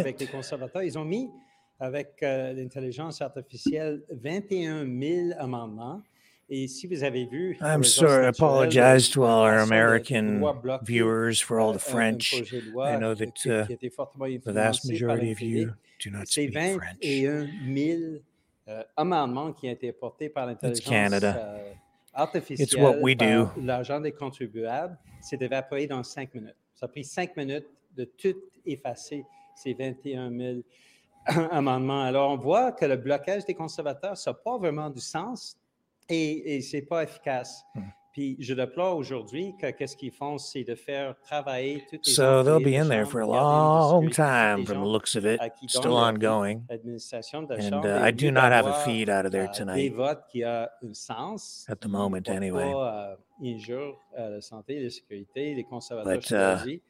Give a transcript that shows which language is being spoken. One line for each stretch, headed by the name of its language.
French: Avec les conservateurs, ils ont mis avec l'intelligence artificielle 21 000 amendements.
English: I'm sorry, I apologize to all our American viewers for all the French. I know that the vast majority of you do not speak French. It's Canada. It's what we do.
French: L'argent des contribuables s'est évaporé dans 5 minutes. Ça a pris 5 minutes de tout effacer ces 21 000 amendements. Alors, on voit que le blocage des conservateurs, ça n'a pas vraiment du sens. Et c'est pas efficace. Puis je déplore aujourd'hui que qu'est-ce qu'ils font, c'est de faire travailler toutes les.
English: So they'll be in there for a long time, from the looks of it, still ongoing. And I do not have a feed out of there tonight.
French: Des votes qui a un sens.
English: At the moment, anyway.
French: La santé, la sécurité, les conservateurs.